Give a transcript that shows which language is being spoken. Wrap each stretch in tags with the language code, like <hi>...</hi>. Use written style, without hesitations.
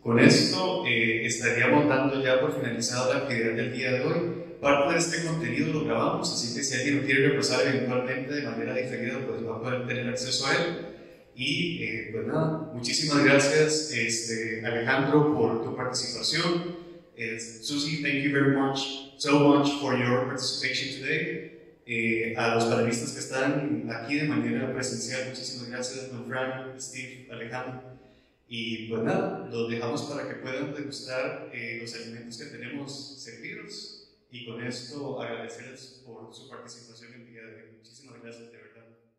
<es>Con esto estaríamos dando ya por finalizada la actividad del día de hoy. Parte de este contenido lo grabamos, así que si alguien lo quiere repasar eventualmente de manera diferida, pues va a poder tener acceso a él. Y pues nada, muchísimas gracias Alejandro por tu participación.</es> <en>Susie, thank you very much, so much for your participation today.</en> <es>A los panelistas que están aquí de manera presencial, muchísimas gracias, Don Fran, Steve, Alejandro. Y pues nada, los dejamos para que puedan degustar los alimentos que tenemos servidos. Y con esto agradecerles por su participación el día de hoy. Muchísimas gracias, de verdad.</es>